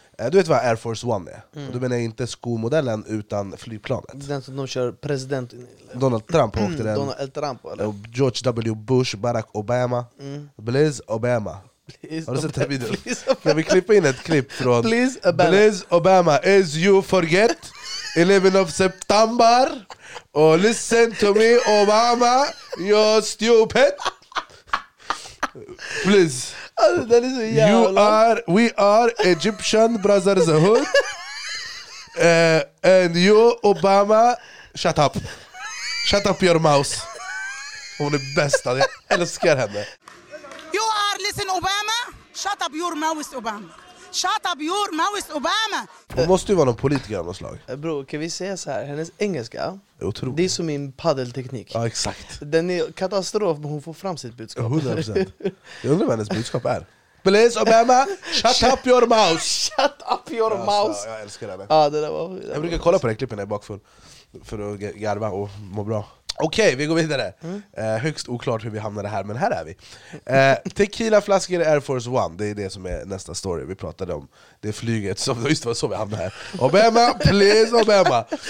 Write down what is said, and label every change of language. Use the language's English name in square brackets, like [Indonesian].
[Swedish] Du vet vad Air Force One är? Mm. Du menar inte skomodellen utan flygplanet. Den som de kör president. Donald Trump åkte den. Donald Trump, eller? George W. Bush, Barack Obama. Mm. Blizz Obama. Please, har du sett den videon? Kan vi klippa in ett klipp från [English] Blizz Obama. Blizz Obama, as you forget, 11 of September. Oh, listen to me, Obama, you're stupid. Please. [Swedish] Alltså, det är så jävla. [English] You are, we are Egyptian brotherhood. And you, Obama, shut up. Shut up your mouth. [Swedish] Hon är bästa, jag älskar henne. [English] You are, listen, Obama, shut up your mouth, Obama. Shut up your mouth, Obama. [Swedish] Hon måste ju vara någon politiker av något slag. Bro, kan vi säga så här, hennes engelska, otroligt. Det är som min paddelteknik. Ja, exakt. Den är katastrof, men hon får fram sitt budskap. 100%. Jag undrar vad hennes budskap är. [English] Please, Obama, shut up your mouth. Shut up your mouth. [Swedish] Jag älskar henne. Ja, det där var, det jag brukar kolla på den klippen i bakfull för att garva och må bra. Okej, vi går vidare. Högst oklart hur vi hamnade här, men här är vi. Tequilaflaskor Air Force One, det är det som är nästa story vi pratade om. Det är flyget, som, just det var så vi hamnade här. Obama, please Obama.